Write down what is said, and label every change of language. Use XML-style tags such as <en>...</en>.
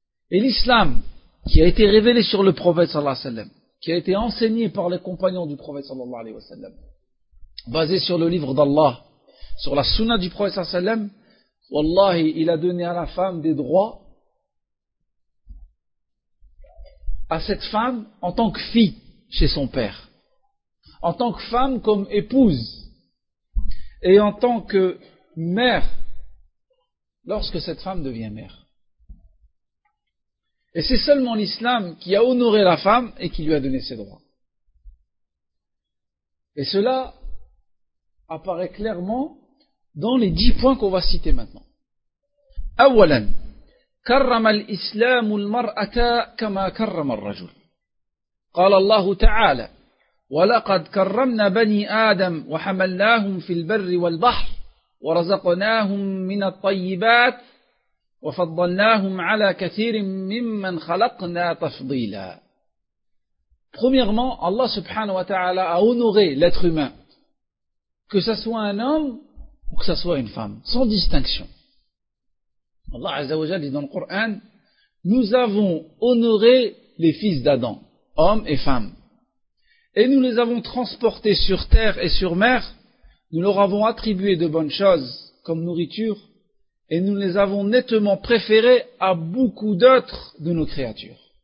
<fr>Et l'islam qui a été révélé sur le prophète sallallahu alayhi wa sallam, qui a été enseigné par les compagnons du prophète sallallahu alayhi wa sallam, basé sur le livre d'Allah, sur la sunna du prophète sallallahu alayhi wa sallam, wallahi, il a donné à la femme des droits, à cette femme en tant que fille chez son père, en tant que femme comme épouse, et en tant que mère lorsque cette femme devient mère. Et c'est seulement l'islam qui a honoré la femme et qui lui a donné ses droits. Et cela apparaît clairement dans les 10 points qu'on va citer maintenant.</fr> <ar>أولاً كرم الإسلام المرأة كما كرم الرجل. قال الله تعالى ولقد كرمنا بني آدم وحملناهم في البر والبحر ورزقناهم من الطيبات وفضلناهم على كثير ممن خلقنا تفضيلا.</ar> <fr>Premièrement, Allah subhanahu wa ta'ala a honoré l'être humain, que ce soit un homme ou que ce soit une femme, sans distinction. Allah azza wa jalla dit dans le Coran, nous avons honoré les fils d'Adam, hommes et femmes, et nous les avons transportés sur terre et sur mer, nous leur avons attribué de bonnes choses comme nourriture, et nous les avons nettement préférés à beaucoup d'autres de nos créatures.</fr>